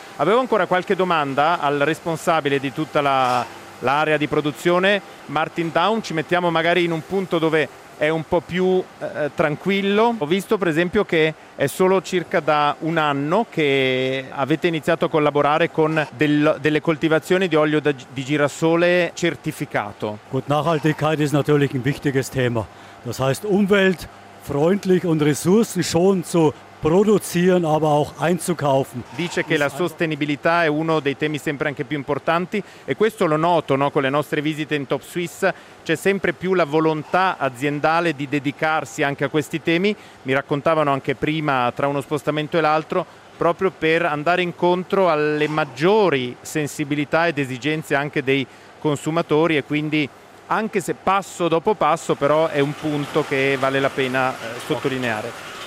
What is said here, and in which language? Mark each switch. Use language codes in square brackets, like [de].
[it] Avevo ancora qualche domanda al responsabile di tutta l'area di produzione, Martin Down. Ci mettiamo magari in un punto dove è un po' più tranquillo. Ho visto per esempio che è solo circa da un anno che avete iniziato a collaborare con delle coltivazioni di olio di girasole certificato. [de] Gut, Nachhaltigkeit ist natürlich ein wichtiges Thema. Das heißt, umweltfreundlich und ressourcenschonend zu produzieren, aber auch einzukaufen. [it] Dice che la sostenibilità è uno dei temi sempre anche più importanti e questo lo noto, no? Con le nostre visite in Top Swiss c'è sempre più la volontà aziendale di dedicarsi anche a questi temi. Mi raccontavano anche prima, tra uno spostamento e l'altro, proprio per andare incontro alle maggiori sensibilità ed esigenze anche dei consumatori e quindi anche se passo dopo passo però è un punto che vale la pena sottolineare.